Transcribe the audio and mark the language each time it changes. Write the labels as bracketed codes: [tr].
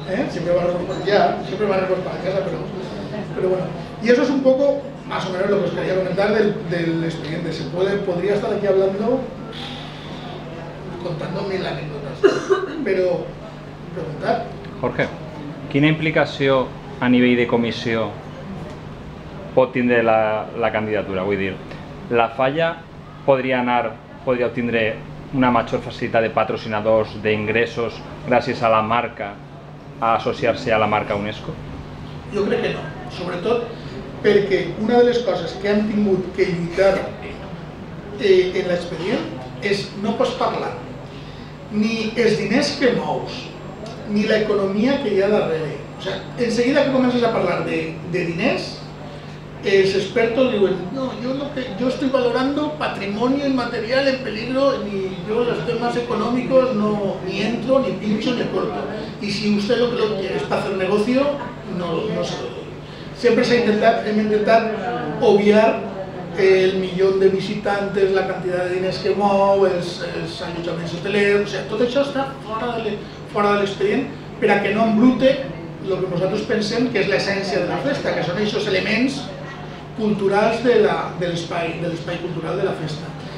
[es] Siempre va a recortar, siempre va a recortar la casa, pero bueno. Y eso es un poco, más o menos, lo que os quería comentar del expediente. Podría estar aquí hablando, contando mil anécdotas, pero preguntar. [ca] Jorge, ¿quina implicació a nivell de comissió pot tindre la candidatura? Vull dir, la falla podria obtindre una major facilitat de patrocinadors, d'ingressos, gràcies a la marca, a associar-se a la marca UNESCO? Jo crec que no, sobretot perquè una de les coses que han tingut que lluitar en l'expedient és no pots parlar ni els diners que mous, ni l'economia que hi ha darrere. [es] O sea, enseguida que [ca] comences a parlar de diners, els expertos diuen no, jo [es] estoy valorando patrimonio inmaterial en peligro, ni yo los temas económicos no, ni entro, ni pincho, ni corto. Y si usted lo que lo quiere es para hacer negocio, no se lo doy. Siempre se intentar obviar el millón de visitantes, la cantidad de [ca] diners que mou, els allotjaments hoteleros, o sea, tot això està fora de l'expedient per a que no embrute el que nosaltres pensem que és l'essència de la festa, que són aquests elements culturals de l'espai cultural de la festa.